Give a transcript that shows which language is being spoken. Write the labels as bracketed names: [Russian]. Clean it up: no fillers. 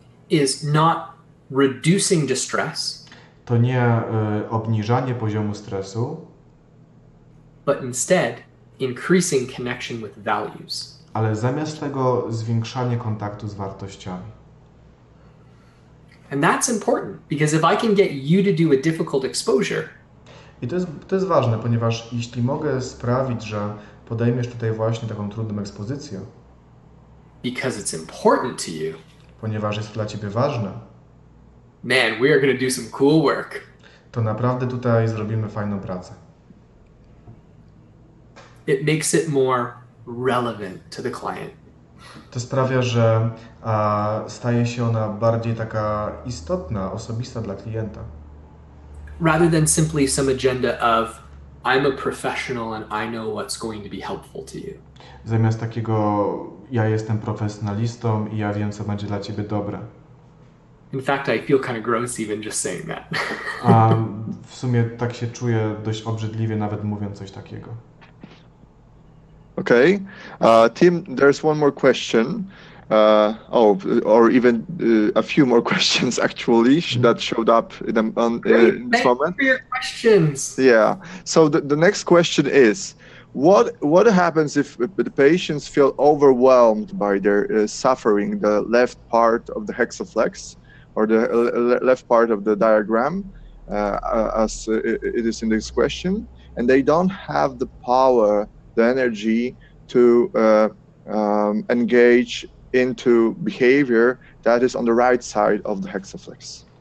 [English] Is not reducing distress. [Polish] To nie obniżanie poziomu stresu. [English] But instead increasing connection with values. [Polish] Ale zamiast tego zwiększanie kontaktu z wartościami. [English] And that's important because if I can get you to do a difficult exposure. [Polish] I to jest ważne, ponieważ jeśli mogę sprawić, że podejmiesz tutaj właśnie taką trudną ekspozycję. [English] Because it's important to you. [Polish] Ponieważ jest dla ciebie ważne. [English] Man, we are going to do some cool work. [Polish] To naprawdę tutaj zrobimy fajną pracę. [English] It makes it more relevant to the client. [Polish] To sprawia, że staje się ona bardziej taka istotna, osobista dla klienta. [English] Rather than simply some agenda of I'm a professional and I know what's going to be helpful to you. [Polish] Zamiast takiego ja jestem profesjonalistą i ja wiem, co będzie dla ciebie dobre. [English] In fact, I feel kind of gross even just saying that. [Polish] W sumie tak się czuję dość obrzydliwie nawet mówiąc coś takiego. [English] Okay. Tim, there's one more question. A few more questions actually that showed up in the this moment. Thank you for your questions. Yeah. So the next question is what happens if the patients feel overwhelmed by their suffering, the left part of the hexaflex or the left part of the diagram as it is in this question, and they don't have the power, the energy to engage into behavior that is on the right side of the hexaflex.